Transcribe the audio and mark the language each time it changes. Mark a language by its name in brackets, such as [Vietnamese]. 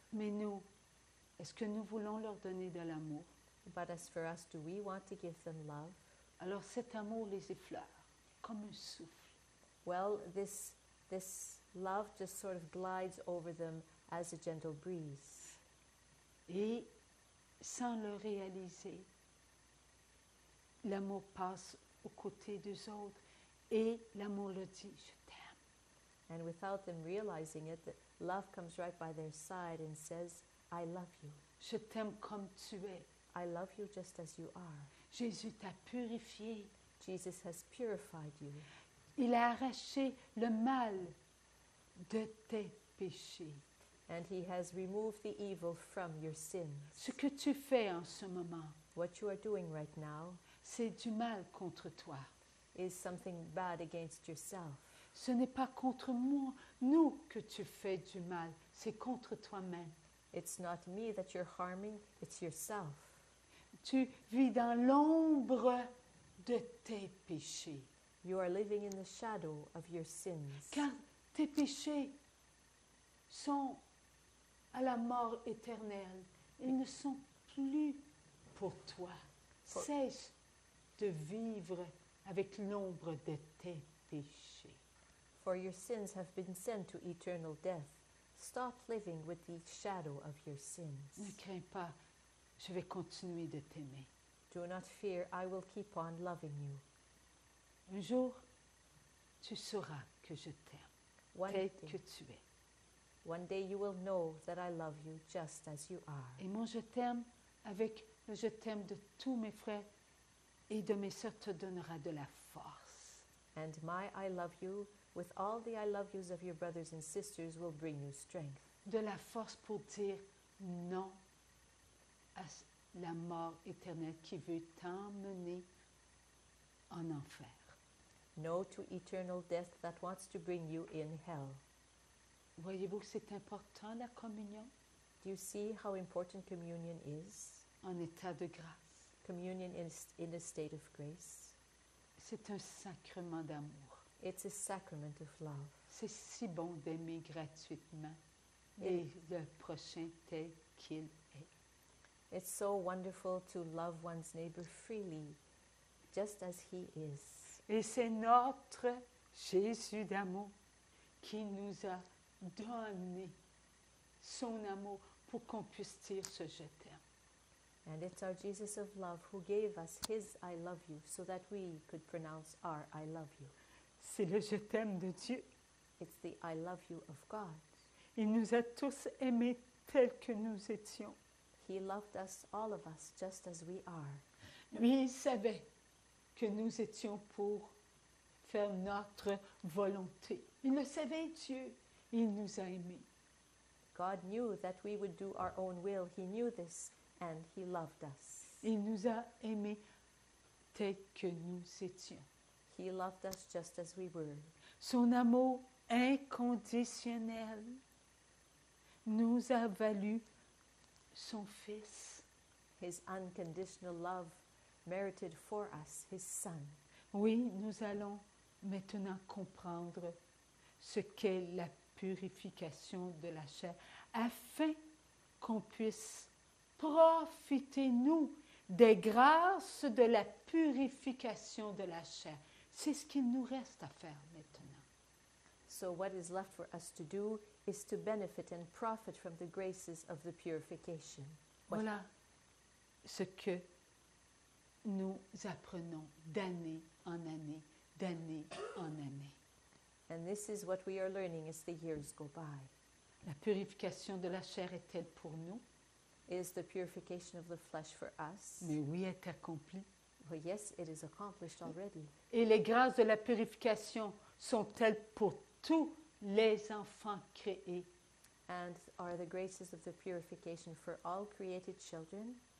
[French] Mais nous, est-ce que nous voulons leur donner de l'amour? [English] But as for us, do we want to give them love? [French] Alors cet amour les effleure comme un souffle. [English] Well, this love just sort of glides over them as a gentle breeze. [French] Et sans le réaliser, l'amour passe aux côtés des autres et l'amour leur dit, je t'aime. [English] And without them realizing it, the love comes right by their side and says, I love you. [French] Je t'aime comme tu es. [English] I love you just as you are. [French] Jésus t'a purifié. [English] Jesus has purified you. [French] Il a arraché le mal de tes péchés. [English] And he has removed the evil from your sins. [French] Ce que tu fais en ce moment, [English] what you are doing right now, [French] c'est du mal contre toi. [English] Is something bad against yourself. [French] Ce n'est pas contre moi, nous que tu fais du mal, c'est contre toi-même. [English] It's not me that you're harming, it's yourself. [French] Tu vis dans l'ombre de tes péchés. [English] You are living in the shadow of your sins. [French] Car tes péchés sont à la mort éternelle. Ils ne sont plus pour toi. Cesse de vivre avec l'ombre de tes péchés. [English] For your sins have been sent to eternal death. Stop living with the shadow of your sins. [French] Ne crains pas. Je vais continuer de t'aimer. [English] Do not fear. I will keep on loving you. [French] Un jour, tu sauras que je t'aime, tel que tu es. [English] One day you will know that I love you just as you are. [French] Et moi, je t'aime avec le je t'aime de tous mes frères et de mes sœurs te donnera de la force. [English] And my I love you with all the I love yous of your brothers and sisters will bring you strength. [French] De la force pour dire non à la mort éternelle qui veut t'emmener en enfer. [English] No to eternal death that wants to bring you in hell. [French] Voyez-vous que c'est important la communion? [English] Do you see how important communion is? [French] En état de grâce. [English] Communion is in a state of grace. [French] C'est un sacrement d'amour. [English] It's a sacrament of love. [French] C'est si bon d'aimer gratuitement et le prochain tel qu'il est. [English] It's so wonderful to love one's neighbor freely, just as he is. [French] Et c'est notre Jésus d'amour qui nous a donné son amour pour qu'on puisse dire ce je t'aime. [English] And it's our Jesus of love who gave us his I love you so that we could pronounce our I love you. [French] C'est le je t'aime de Dieu. [English] It's the I love you of God. [French] Il nous a tous aimés tels que nous étions. [English] He loved us, all of us, just as we are. [French] Lui, il savait que nous étions pour faire notre volonté. Il le savait, Dieu. Il nous a aimés. [English] God knew that we would do our own will. He knew this and he loved us. [French] Il nous a aimés tel que nous étions. [English] He loved us just as we were. [French] Son amour inconditionnel nous a valu son fils. [English] His unconditional love merited for us his son. [French] Oui, nous allons maintenant comprendre ce qu'est la purification de la chair, afin qu'on puisse profiter, nous, des grâces de la purification de la chair. C'est ce qu'il nous reste à faire maintenant. [English] So what is left for us to do is to benefit and profit from the graces of the purification. [French] Voilà ce que nous apprenons d'année en année, d'année en année. [English] And this is what we are learning as the years go by. [French] La purification de la chair est-elle pour nous? [English] Is the purification of the flesh for us? [French] Mais oui, est accomplie. [English] Well, yes, it is accomplished already. [French] Et les grâces de la purification sont-elles pour tous les enfants créés? [English] And are the graces of the purification for all created children?